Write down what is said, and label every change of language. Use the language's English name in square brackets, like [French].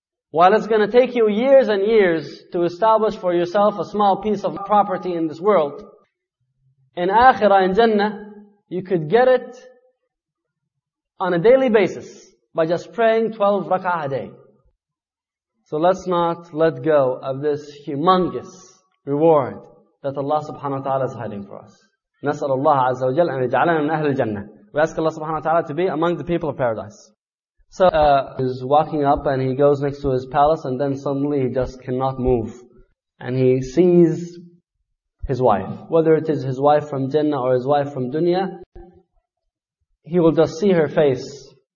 [English] While it's going to take you years and years to establish for yourself a small piece of property in this world, in Akhirah, in Jannah, you could get it on a daily basis by just praying 12 rak'ah a day. So let's not let go of this humongous reward that Allah subhanahu wa ta'ala is hiding for us. [Arabic] نسأل الله عز وجل أن يجعلنا من أهل الجنة. [English] We ask Allah subhanahu wa ta'ala to be among the people of paradise. So he's walking up and he goes next to his palace and then suddenly he just cannot move. And he sees his wife, whether it is his wife from Jannah or his wife from dunya, he will just see her face